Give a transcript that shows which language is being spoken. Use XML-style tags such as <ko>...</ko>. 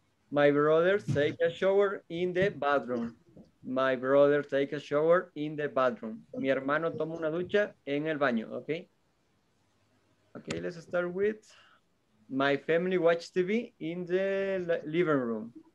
<en>My brother take a shower in the bathroom. My brother take a shower in the bathroom.</en> <es>Mi hermano toma una ducha en el baño. Ok.</es> <en>Ok, let's start with my family watch TV in the living room.</en>